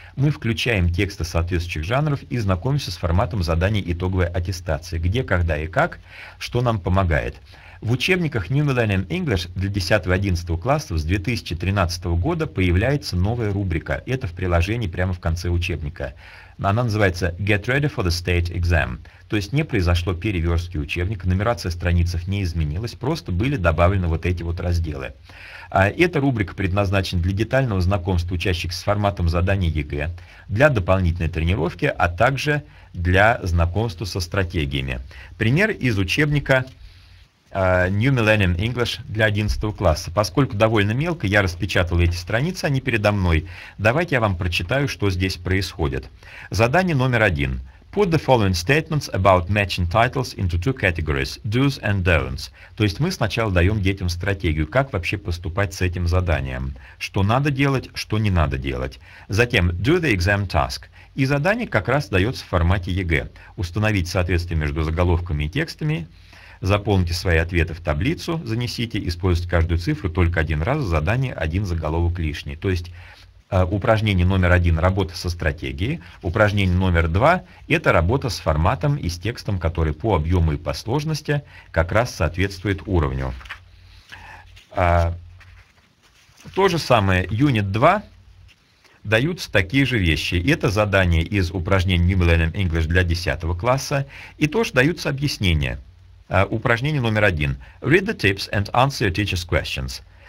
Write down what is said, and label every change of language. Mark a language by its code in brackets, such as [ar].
[ru] Мы включаем тексты соответствующих жанров и знакомимся с форматом заданий итоговой аттестации, где, когда и как, что нам помогает. В учебниках New Millennium English для 10-11 классов с 2013 года появляется новая рубрика. Это в приложении прямо в конце учебника. Она называется [en] Get Ready for the State Exam. [ru] То есть не произошло переверстки учебника, нумерация страниц не изменилась, просто были добавлены вот эти вот разделы. Эта рубрика предназначена для детального знакомства учащихся с форматом задания ЕГЭ, для дополнительной тренировки, а также для знакомства со стратегиями. Пример из учебника New Millennium English для 11 класса. Поскольку довольно мелко, я распечатал эти страницы, они передо мной. Давайте я вам прочитаю, что здесь происходит. Задание номер один. [en] Put the following statements about matching titles into two categories, do's and don'ts. [ru] То есть мы сначала даем детям стратегию, как вообще поступать с этим заданием. Что надо делать, что не надо делать. Затем [en] do the exam task. [ru] И задание как раз дается в формате ЕГЭ. Установить соответствие между заголовками и текстами. Заполните свои ответы в таблицу, занесите, используйте каждую цифру только один раз, задание один заголовок лишний. То есть упражнение номер один – работа со стратегией, упражнение номер два – это работа с форматом и с текстом, который по объему и по сложности как раз соответствует уровню. То же самое, юнит 2 даются такие же вещи. Это задание из упражнений New Millennium English для 10 класса, и тоже даются объяснения. Упражнение номер один. [en] Read the tips and answer your teacher's questions.